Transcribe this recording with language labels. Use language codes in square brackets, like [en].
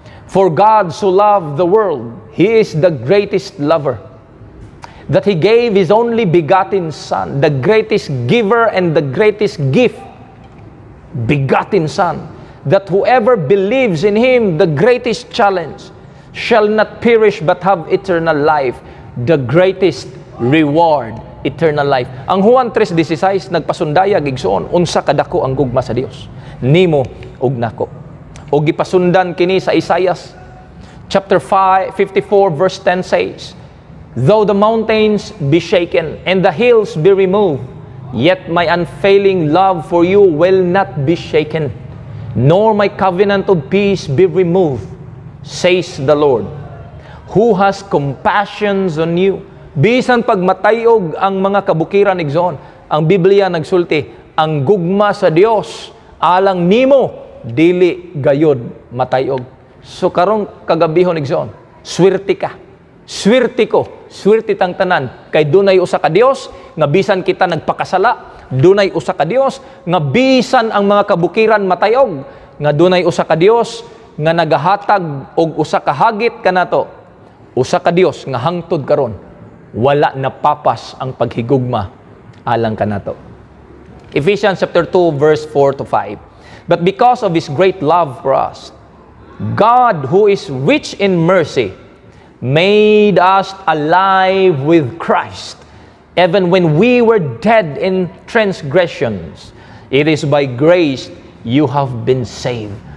[en] For God so loved the world, He is the greatest lover, that He gave His only begotten Son, the greatest giver and the greatest gift, begotten Son, that whoever believes in Him, the greatest challenge, shall not perish but have eternal life, the greatest reward, eternal life. [ceb] Ang Juan 3:16, nagpasundayag igsoon, unsa kadako ang gugma sa Dios, nimo ug nako. O gipasundan kini sa [en] Isaiah chapter 54 verse 10 says, though the mountains be shaken and the hills be removed, yet my unfailing love for you will not be shaken, nor my covenant of peace be removed, says the Lord, who has compassions on you. [ceb] Bisan pagmatayog ang mga kabukiran igsoon, ang Biblia nagsulti, ang gugma sa Dios alang nimo dili gayod matayog. So karong kagabihon igsoon, swerte ka. Swerte ko, swerte tang tanan kay dunay usa ka Dios nga bisan kita nagpakasala, dunay usa ka Dios nga bisan ang mga kabukiran matayog, nga dunay usa ka Dios nga nagahatag og usa ka hagit kanato. Usa ka Dios nga hangtod karon, wala napapas ang paghigugma alang kanato. [en] Ephesians chapter 2 verse 4 to 5. But because of his great love for us, God who is rich in mercy made us alive with Christ, even when we were dead in transgressions. It is by grace you have been saved.